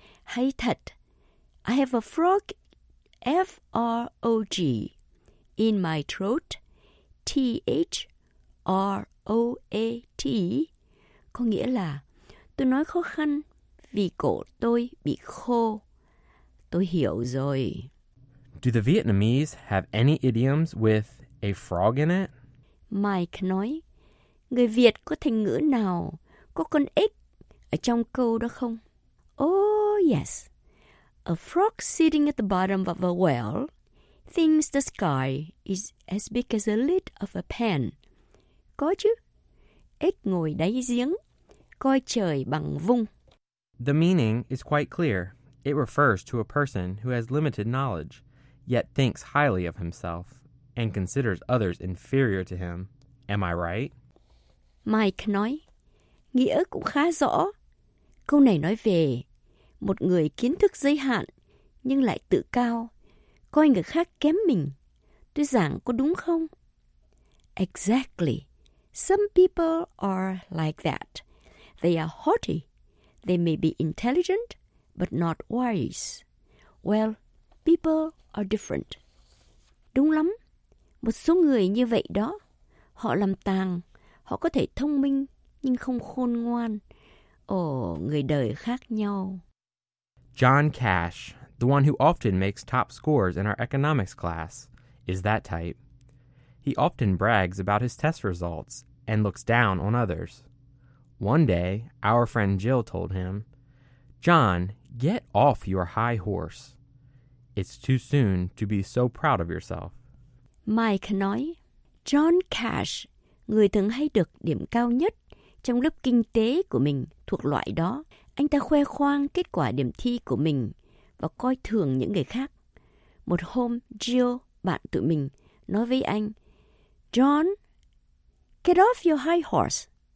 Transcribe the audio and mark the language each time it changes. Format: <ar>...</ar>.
<vi>Hay thật,</vi> <en>I have a frog, F-R-O-G, in my throat, T-H-R-O-A-T,</en> <vi>có nghĩa là tôi nói khó khăn vì cổ tôi bị khô. Tôi hiểu rồi.</vi> <en>Do the Vietnamese have any idioms with a frog in it?</en> <vi>Mike nói, người Việt có thành ngữ nào có con ếch ở trong câu đó không?</vi> <en>Oh, yes. A frog sitting at the bottom of a well thinks the sky is as big as a lid of a pan.</en> <vi>Có chứ. Ếch ngồi đáy giếng, coi trời bằng vung.</vi> <en>The meaning is quite clear. It refers to a person who has limited knowledge, yet thinks highly of himself, and considers others inferior to him. Am I right?</en> <vi>Mike nói, nghĩa cũng khá rõ. Câu này nói về một người kiến thức giới hạn, nhưng lại tự cao, coi người khác kém mình. Tôi giảng có đúng không?</vi> <en>Exactly. Some people are like that. They are haughty. They may be intelligent, but not wise. Well, people are different.</en> <vi>Đúng lắm. Một số người như vậy đó. Họ làm tàng. Họ có thể thông minh, nhưng không khôn ngoan. Ồ, người đời khác nhau.</vi> <en>John Cash, the one who often makes top scores in our economics class, is that type. He often brags about his test results and looks down on others. One day, our friend Jill told him, John, get off your high horse. It's too soon to be so proud of yourself.</en> <vi>Mike nói, John Cash, người thường hay được điểm cao nhất trong lớp kinh tế của mình thuộc loại đó. Anh ta khoe khoang kết quả điểm thi của mình và coi thường những người khác. Một hôm, Jill, bạn tụi mình, nói với anh, John,</vi> <en>get off your high horse.</en>